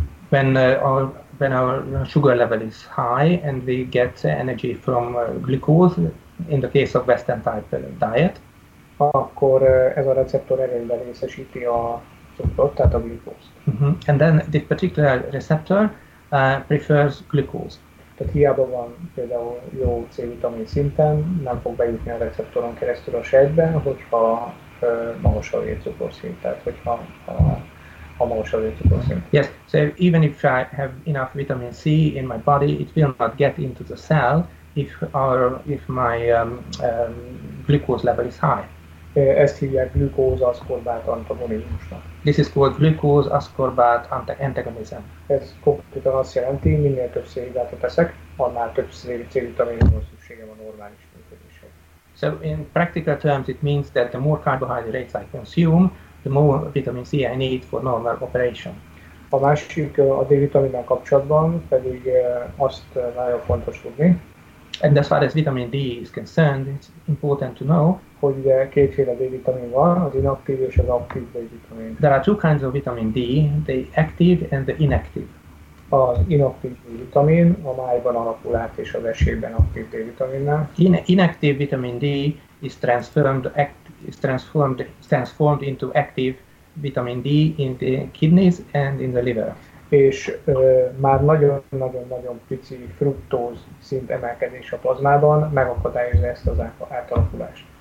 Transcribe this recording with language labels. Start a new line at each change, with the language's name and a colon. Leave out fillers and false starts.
English: When our sugar level is high and we get energy from glucose, in the case of Western type diet,
Hungarian: akkor ez a receptor előbb részesíti tartar glucose.
English: Mm-hmm. And then the particular receptor prefers glucose.
Hungarian: Tehát hiába van például jó C-vitamin szinten, nem fog bejutni a receptoron keresztül a sejtbe, hogyha magas a vércukorszint, tehát hogyha a magas a vércukorszint.
English: Yes, so even if I have enough vitamin C in my body, it will not get into the cell if my glucose level is high.
Hungarian: Ezt hívják glukóz-aszkorbát antagonizmusnak.
English: This is called glukóz-aszkorbát antagonism.
Hungarian: Ez konkrétan azt jelenti, minél több szénhidrátot eszek, annál több C-vitaminra szüksége van normális működéshez.
English: So in practical terms it means that the more carbohydrates I consume, the more vitamin C I need for normal operation.
Hungarian: A másik a D-vitaminnel kapcsolatban pedig azt nagyon fontos tudni.
English: And as far as vitamin D is concerned, it's important to know
Hungarian: hogy kétféle D-vitamin van, az inaktív és az aktív D-vitamin.
English: There are two kinds of vitamin D, the active and the inactive.
Hungarian: Az inaktív D-vitamin a májban alakul át és a vesében aktív D-vitaminnál.
English: Inactive vitamin D is transformed into active vitamin D in the kidneys and in the liver.
Hungarian: És már nagyon-nagyon-nagyon pici fruktóz szint emelkedés a plazmában megakadályozza ezt az átalakulást.